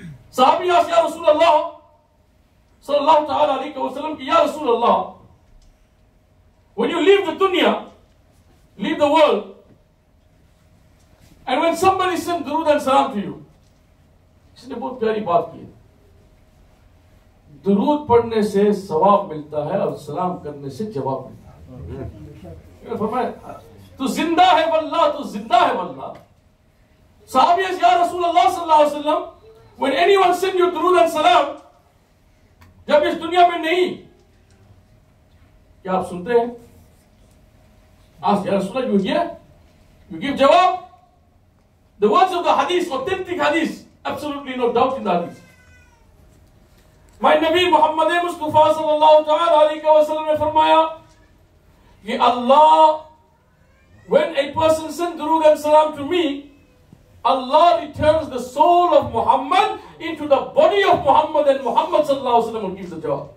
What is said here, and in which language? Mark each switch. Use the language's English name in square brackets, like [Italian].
[English] Sahabi asked, Ya Rasulullah, sallallahu ta'ala alayka wa sallam, Ya Rasulullah, when you leave the dunya, leave the world, and when somebody sends durood and salam to you, [Urdu] اس نے بہت پیاری بات کی. درود پڑھنے سے ثواب ملتا ہے اور سلام کرنے سے جواب ملتا ہے. فرمایا, تو زندہ ہے واللہ, تو زندہ ہے واللہ. صحابی یا رسول اللہ صلی اللہ علیہ وسلم, [English] when anyone send you درود and سلام, [Urdu] جب اس دنیا میں نہیں, کیا آپ سنتے ہیں؟ آپ یا رسول اللہ, [English] you give جواب. The words of the حدیث, authentic حدیث, absolutely no doubt in the hadith. My Nabi Muhammad Mustafa sallallahu alayhi wa sallam farmaya, Ki Allah, when a person sends durood and salam to me, Allah returns the soul of Muhammad into the body of Muhammad, and Muhammad sallallahu alayhi wa sallam will give the jawab.